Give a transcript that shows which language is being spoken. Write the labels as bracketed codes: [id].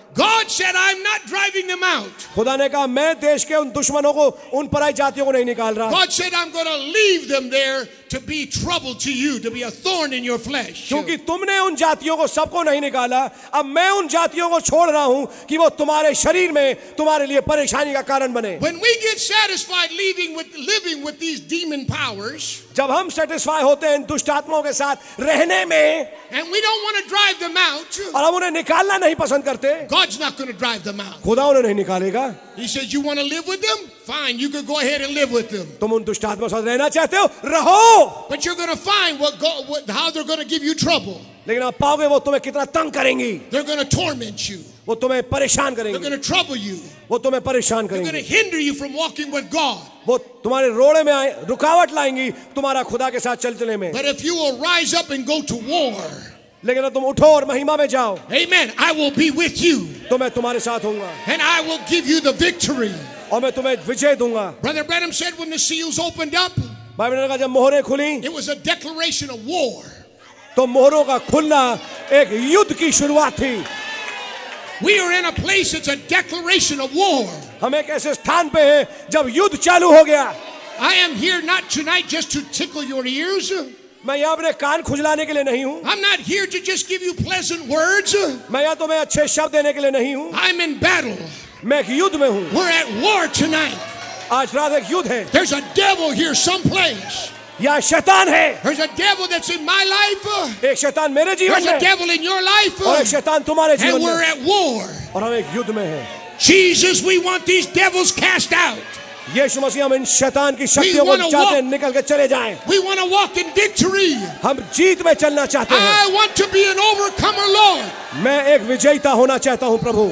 [en] God said, "I'm not driving them out." [hi] खुदा ने कहा मैं देश के उन दुश्मनों को उन पराई जातियों को नहीं निकाल रहा. [en] God said, "I'm going to leave them there to be trouble to you, to be a thorn in your flesh." [hi] क्योंकि तुमने उन जातियों को सबको नहीं निकाला, अब मैं उन जातियों को छोड़ रहा हूँ कि वो तुम्हारे शरीर में तुम्हारे लिए परेशानी का कारण बने. [en] When we get satisfied living with these demon powers, [hi] जब हम सेटिस्फाई होते हैं दुष्ट आत्माओं के साथ रहने में, [en] and we don't want to drive them out, [hi] और हम उन्हें निकालना नहीं पसंद करते. [en] God's not going to drive them out. [hi] खुदा उन्हें नहीं निकालेगा. [en] He says, "You want to live with them? Fine, you can go ahead and live with them." [hi] तुम उन दुष्ट आत्माओं के साथ रहना चाहते हो? रहो. [en] But you're going to find how they're going to give you trouble. [hi] लेकिन आप पाओगे वो तुम्हें कितना तंग करेंगे. [en] They're going to torment you. [hi] वो तुम्हें परेशान करेंगे. [en] They're going to trouble you. [hi] वो तुम्हें परेशान करेंगे. [en] They're going to hinder you from walking with God. [hi] वो तुम्हारे रोड़े में रुकावट लाएंगी तुम्हारा खुदा के साथ चलने में. [en] But if you will rise up and go to war. [hi] लेकिन तुम उठो और महिमा में जाओ. [en] Amen. I will be with you. [hi] तो मैं तुम्हारे साथ हूंगा. [en] And I will give you the victory. [hi] और मैं तुम्हें विजय दूंगा. [en] Brother Branham said when the seals opened up, [hi] भाई ब्रैनम ने कहा जब मोहरें खुली, [en] it was a declaration of war. [hi] तो मोहरों का खुलना एक युद्ध की शुरुआत थी. [en] We are in a place that's a declaration of war. [hi] हम एक ऐसे स्थान पे हैं जब युद्ध चालू हो गया. [en] I am here not tonight just to tickle your ears. [hi] मैं यहाँ अपने कान खुजलाने के लिए नहीं हूँ. [en] I'm not here to just give you pleasant words. [hi] मैं यहाँ तुम्हें अच्छे शब्द देने के लिए नहीं हूँ. [en] I'm in battle. [hi] मैं एक युद्ध में हूँ. [en] We're at war tonight. [hi] आज रात एक युद्ध है. [en] There's a devil here someplace. [hi] या शैतान है. [en] There's a devil that's in my life. [hi] एक शैतान मेरे जीवन [en] में. There's a devil in your life. [hi] और एक शैतान तुम्हारे जीवन में. [en] And we're at war. [hi] और हम एक युद्ध में हैं. [en] Jesus, we want these devils cast out. [hi] यीशु मसीह हम इन शैतान की शक्तियों को चाहते हैं निकल के चले जाएं. [en] We want to walk in victory. [hi] हम जीत में चलना चाहते हैं. [en] I want to be an overcomer, Lord. [hi] मैं एक विजेता होना चाहता हूं प्रभु.